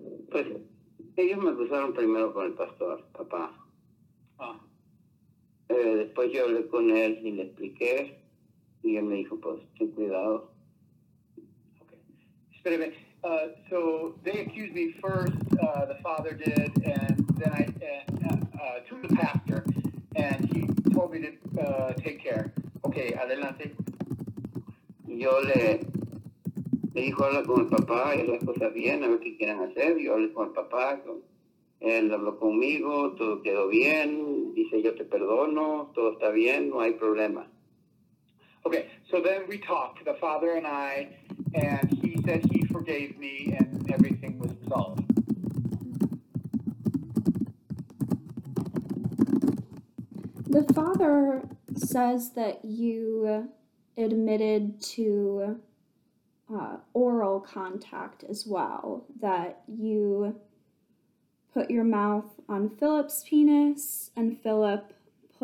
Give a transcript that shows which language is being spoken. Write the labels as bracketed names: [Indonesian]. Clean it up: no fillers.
[Spanish] Pues, ellos me cruzaron primero con el pastor, papá. Después yo hablé con él y le expliqué, y él me dijo, pues, ten cuidado. Okay. Espérame. [English] So, they accused me first, the father did, and then I, to the pastor, and he told me to take care. [Spanish] Okay, adelante. Yo le dijo, habla con el papá, y las cosas bien, a ver qué quieren hacer. Yo hablé con el papá, él habló conmigo, todo quedó bien, dice yo te perdono, todo está bien, no hay problema. [English] Okay, so then we talked, the father and I, and he said he forgave me and everything was resolved. The father says that you admitted to oral contact as well, that you put your mouth on Philip's penis and Philip put